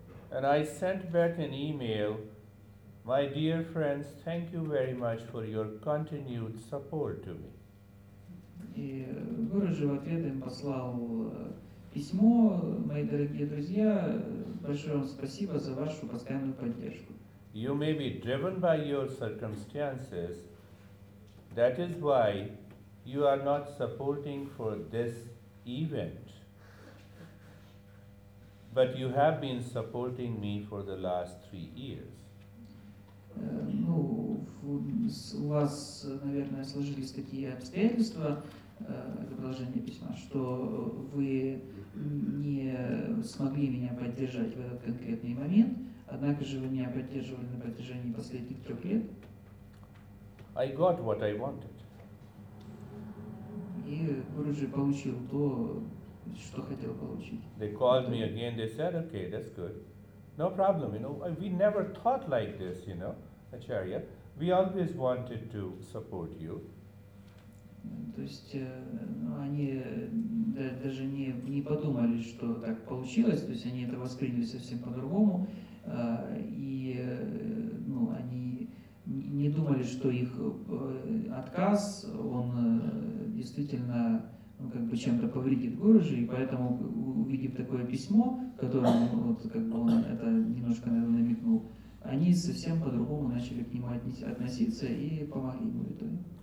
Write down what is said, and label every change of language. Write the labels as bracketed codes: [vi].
[en] And I sent back an email, my dear friends, thank you very much for your continued support to me. [ru] И Гуруджи в ответ им послал письмо, мои дорогие друзья, большое вам спасибо за вашу постоянную поддержку. [en] You may be driven by your circumstances, that is why you are not supporting for this event, but you have been supporting me for the last 3 years. [ru] Ну, у вас, наверное, сложились такие обстоятельства, это продолжение письма, что вы не смогли меня поддержать в этот конкретный момент, однако же вы меня поддерживали на протяжении последних 3 лет. [en] I got what I wanted. [ru] И Гуруджи получил то, что хотел получить. [en] They called me again, they said, okay, that's good. No problem, we never thought like this, Acharya. We always wanted to support you. [ru] То есть, они даже не подумали, что так получилось, то есть они это восприняли совсем по-другому, и, они не думали, что их отказ, он действительно, чем-то повредит Гуруджи, и поэтому, увидев такое письмо, которым он это немножко, наверное, намекнул, они совсем по-другому начали к нему относиться и помогли ему в итоге.